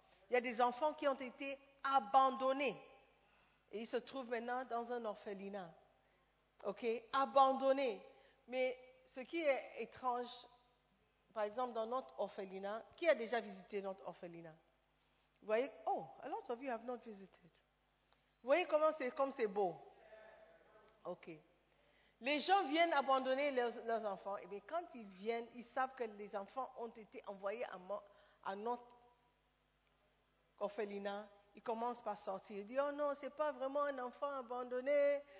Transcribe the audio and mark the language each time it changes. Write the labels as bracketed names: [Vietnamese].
[French] Il y a des enfants qui ont été abandonnés. Et ils se trouvent maintenant dans un orphelinat. OK? Abandonnés. Mais ce qui est étrange, par exemple, dans notre orphelinat, qui a déjà visité notre orphelinat? Vous voyez? [English] Oh, a lot of you have not visited. [French] Vous voyez comment c'est beau? OK. Les gens viennent abandonner leurs enfants. Et bien, quand ils viennent, ils savent que les enfants ont été envoyés à notre orphelinat. Ils commencent par sortir. Ils disent, oh non, ce n'est pas vraiment un enfant abandonné.